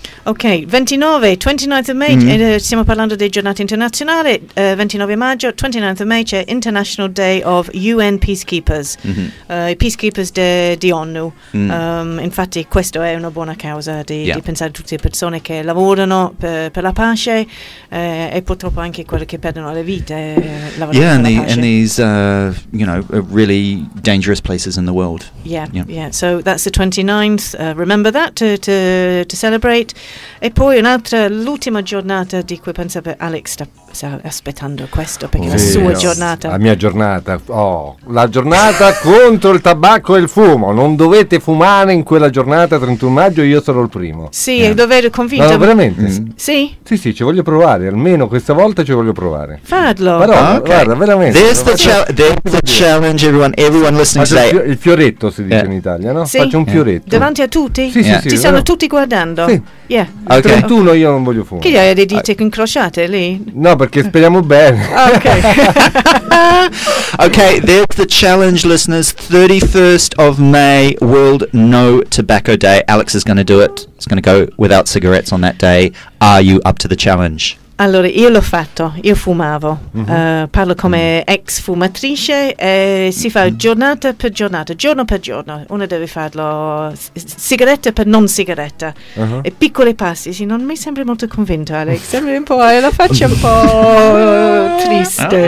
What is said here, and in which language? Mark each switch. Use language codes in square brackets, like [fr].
[it] Ok, 29, [en] 29th of May, [it] stiamo parlando di giornata internazionale, 29 maggio, 29th of May c'è [en] International Day of UN Peacekeepers, [it] Peacekeepers di ONU, infatti questo è una buona causa di pensare a tutte le persone che lavorano per la pace e purtroppo anche quelle che perdono le vite lavorando per la pace. [en] Yeah, and these, you know, really dangerous places in the world. Yeah, so that's the 29th, remember that to celebrate. [it] E poi un'altra, l'ultima giornata di cui pensavo Alex sta aspettando questo, perché la sua giornata. La mia giornata, la giornata contro il tabacco e il fumo. Non dovete fumare in quella giornata, 31 maggio, io sarò il primo. Sì, è davvero convinto. No, veramente? Sì? Sì, sì, ci voglio provare, almeno questa volta ci voglio provare. Fadlo. Però, guarda, veramente. [en] There's the challenge, everyone listening today. [it] Il fioretto si dice in Italia, no? Sì? Faccio un fioretto. Davanti a tutti? Sì, sì, sì. Ci stanno tutti guardando? Sì. [en] Yeah. [it] Okay. 31 io non voglio fumare. Che hai le dita incrociate lì? No, perché speriamo bene. Okay. [en] Ok, there's the challenge, listeners. 31st of May, World No Tobacco Day. Alex is going to do it. He's going to go without cigarettes on that day. Are you up to the challenge? [it] Allora, io l'ho fatto, io fumavo, parlo come ex fumatrice e si fa giornata per giornata, giorno per giorno, uno deve farlo sigaretta per non sigaretta, e piccoli passi, sì, non mi sembra molto convinto Alex, sembra un po', la faccia un po' triste.